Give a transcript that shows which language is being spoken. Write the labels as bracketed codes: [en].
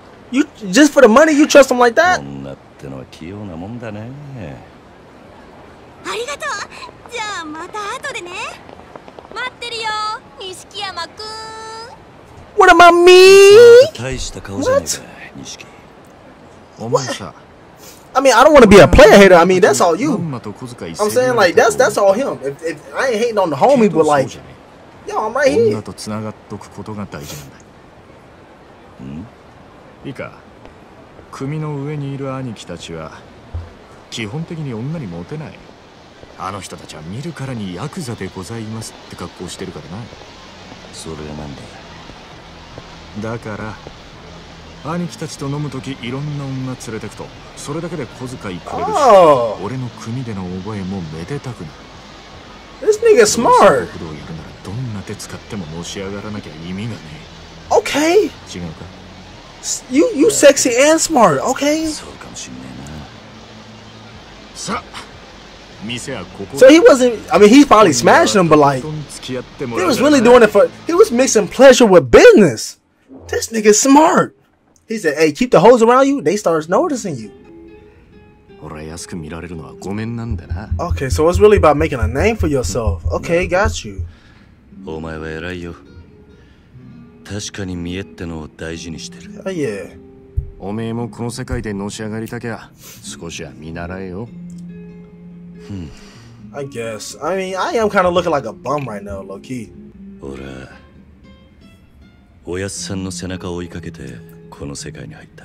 [en] You just for the money, you trust him like that? [ja] 女ってのは器用なもんだね。ありがとう。じゃあまた後でね。待ってるよ、錦山くん。 [en] What about me? [ja] 大した顔じゃねえか、錦。 [en] What? I mean, I don't want to be a player hater. I mean, that's all you. I'm saying, like, that's all him. If I ain't hating on the homie, but like, yo, I'm right here. [ja] 女と繋がっとくことが大事なんだ。ん？いいか。組の上にいる兄貴たちは基本的に女にモテない。あの人たちは見るからにヤクザでございますって格好してるからな。それはなんだ。だから。兄貴たちと飲むときいろんな女連れてくとそれだけで小遣いくれるし、 [en] oh. [ja] 俺の組での覚えもめでたくな [en] る。This nigga smart。 [ja] どうするをやるならどんな手使っても申し上がらなきゃ意味がねえ。 [en] Okay。 [ja] 違うか。 [en] You sexy and smart。 Okay。 [ja] そうかもしんねえな。さ、店はここ。 [en] So he wasn't. I mean, he finally smashed him, but like, he was really doing it for. He was mixing pleasure with business. This nigga smart. He said, hey, keep the hoes around you, they start noticing you. Okay, so it's really about making a name for yourself. Okay, got you. [ja] お前は偉いよ。確かに見えってのを大事にしてる。 [en] Oh, yeah. [ja] おめえもこの世界でのし上がりたきゃ、少しは見習えよ。 [en] I guess. I mean, I am kind of looking like a bum right now, low-key. [ja] ほら、おやすさんの背中を追いかけて、この世界に入った。